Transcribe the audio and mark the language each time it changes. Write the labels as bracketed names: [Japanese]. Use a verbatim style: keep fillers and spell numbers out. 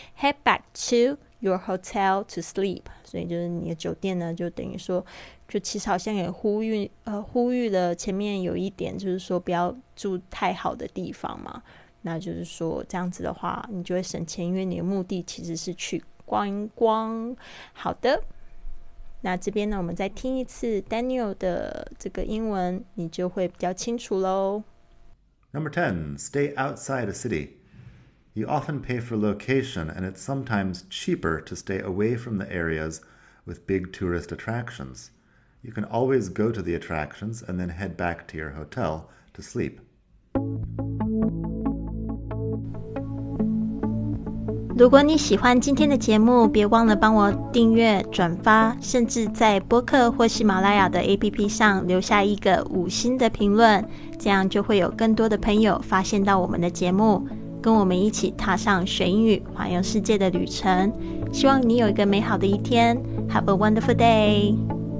[English] Head back to your hotel to sleep， [Chinese] 所以就是你的酒店呢就等于说就其实好像也呼吁呃呼吁了前面有一点，就是说不要住太好的地方嘛。那就是说这样子的话你就会省钱，因为你的目的其实是去观光。好的，那这边呢我们再听一次 Daniel 的这个英文，你就会比较清楚咯。 [English] Number ten, stay outside a city. You often pay for location, and it's sometimes cheaper to stay away from the areas with big tourist attractions. You can always go to the attractions and then head back to your hotel to sleep. [Chinese] 如果你喜欢今天的节目，别忘了帮我订阅、转发，甚至在播客或喜马拉雅的 A P P 上留下一个五星的评论，这样就会有更多的朋友发现到我们的节目，跟我们一起踏上学英语环游世界的旅程。希望你有一个美好的一天， [English] Have a wonderful day!